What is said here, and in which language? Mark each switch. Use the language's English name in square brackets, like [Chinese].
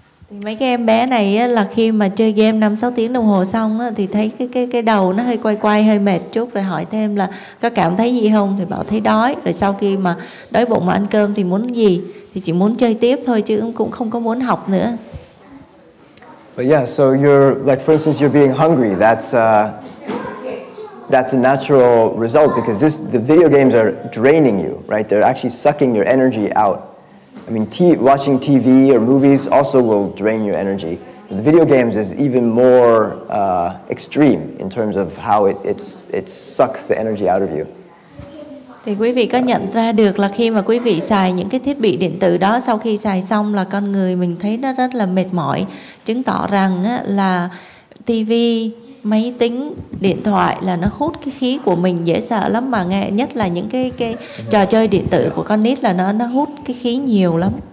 [Vietnamese] Thì mấy cái em bé này á, là khi mà chơi game 5-6 tiếng đồng hồ xong á, thì thấy cái đầu nó hơi quay quay, hơi mệt chút. Rồi hỏi thêm là có cảm thấy gì không? Thì bảo thấy đói. Rồi sau khi mà đói bụng mà ăn cơm thì muốn gì? Thì chỉ muốn chơi tiếp thôi, chứ cũng không có muốn học nữa. [English] But yeah, so you're, like for instance, you're being hungry. That's a natural result, because the video games are draining you, right? They're actually sucking your energy out. I mean, watching TV or movies also will drain your energy. The video games is even more extreme in terms of how it sucks the energy out of you. [Vietnamese] Thì quý vị có nhận ra được là khi mà quý vị xài những cái thiết bị điện tử đó, sau khi xài xong là con người mình thấy nó rất là mệt mỏi, chứng tỏ rằng á, là TV, máy tính, điện thoại là nó hút cái khí của mình dễ sợ lắm, mà nghe nhất là những cái trò chơi điện tử của con nít là nó hút cái khí nhiều lắm.